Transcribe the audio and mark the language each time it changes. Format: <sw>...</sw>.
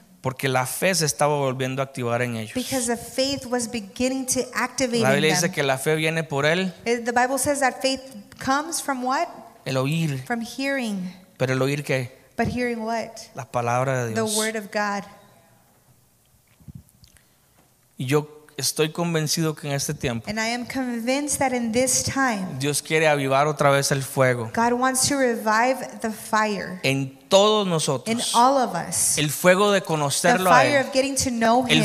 <es>porque la fe se estaba volviendo a activar en ellos.</es> <en>Because the faith was beginning to activate in them.</en> <es>La Biblia dice que la fe viene por él.</es> <en>The Bible says that faith comes from what?</en> <es>El oír.</es> <en>From hearing.</en> <es>Pero el oír qué?</es> <en>But hearing what?</en> <es>La palabra de Dios.</es> <en>The word of God.</en> <es>Y yo estoy convencido que en este tiempo,</es> <en>and I am convinced that in this time,</en> <es>Dios quiere avivar otra vez el fuego.</es> <en>God wants to revive the fire.</en> <es>En todos nosotros.</es> <en>In all of us.</en> <es>El fuego de conocerlo a él.</es> <en>The fire of getting to know him.</en>